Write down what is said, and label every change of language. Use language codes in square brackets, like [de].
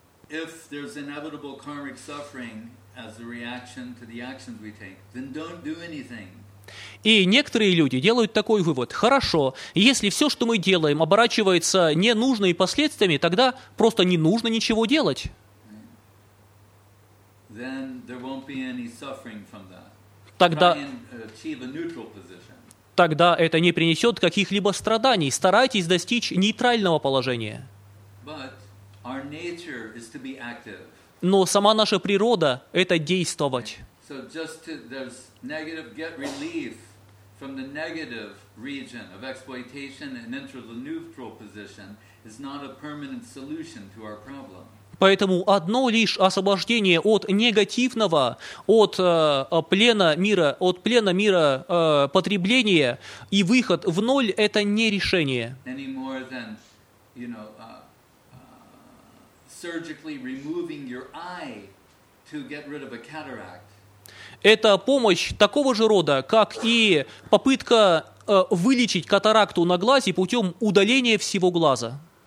[en] If there's inevitable karmic suffering as a reaction to the actions we take, then don't do anything. [ru] И некоторые люди делают такой вывод: хорошо, если все, что мы делаем, оборачивается ненужными последствиями, тогда просто не нужно ничего делать. [en] Then there won't be any suffering from that. [ru] Тогда [en] achieve a neutral position. [ru] Тогда это не принесет каких-либо страданий. Старайтесь достичь нейтрального положения. [en] But our nature is to be active. [ru] Но сама наша природа — это действовать. [en] So just to, there's negative, get relief from the negative region of exploitation and enter the neutral position is not a permanent solution to our problem. [ru] Поэтому одно лишь освобождение от негативного, от плена мира, от плена мира потребления и выход в ноль — это не решение. [en] Any more than, you know, surgically removing your eye to get rid of a cataract. [ru] Это помощь такого же рода, как и попытка вылечить катаракту на глазе путем удаления всего глаза.